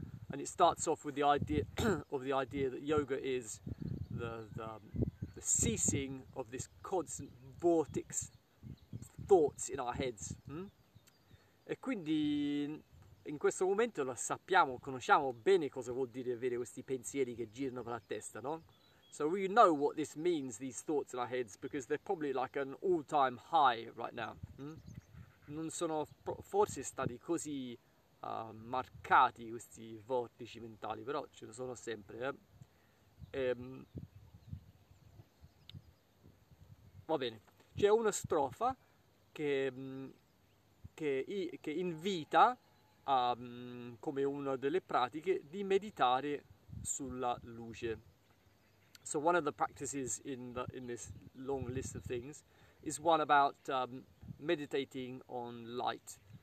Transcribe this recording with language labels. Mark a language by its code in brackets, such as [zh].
[en] And it starts off with the idea of the idea that yoga is the ceasing of this constant vortex thoughts in our heads. [it] E quindi in questo momento lo sappiamo, conosciamo bene cosa vuol dire avere questi pensieri che girano per la testa, no? [en] So we know what this means, these thoughts in our heads, because they're probably like an all-time high right now. [it] Non sono forse stati così marcati questi vortici mentali, però ce ne sono sempre, eh? Va bene, c'è una strofa che invita, come una delle pratiche, di meditare sulla luce. [en] So one of the practices in this long list of things is one about meditating on light.